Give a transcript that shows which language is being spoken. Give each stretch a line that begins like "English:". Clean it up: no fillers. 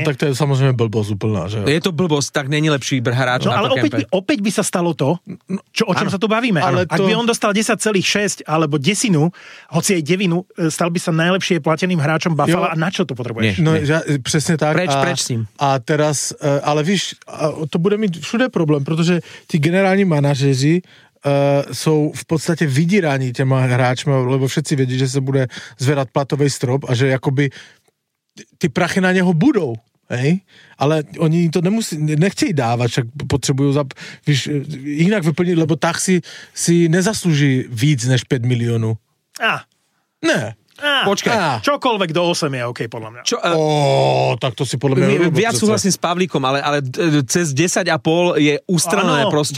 Slovak: No tak to je samozrejme blbosť úplná, že? Je to blbosť, tak není lepší hráč no, na ale to Kempe. Ale opäť by sa stalo to, čo, o čom ano, sa tu bavíme. Ale ak by on dostal 10,6 alebo desinu, hoci aj devinu, stal by sa najlepšie plateným hráčom Buffalo a na čo to potrebuješ? Nie, no nie. Ja, presne tak. Preč s ním.
Czech: A teraz, ale víš, to bude mít všude problém, protože ti generální manažeři jsou v podstatě vydíraní těma hráčmi, lebo všetci vědí, že se bude zvedat platový strop a že jakoby ty prachy na něho budou, hej? Ale oni to nemusí, nechtějí dávat, však potřebují víš, jinak vyplnit, lebo tak si nezaslouží víc než 5 milionů. A. Ne. Á,
Slovak: počkaj. Á. Čokoľvek do 8 je OK, podľa mňa. Tak to si podľa mňa... Viac súhlasím s Pavlíkom, ale cez 10,5 je ustranné proste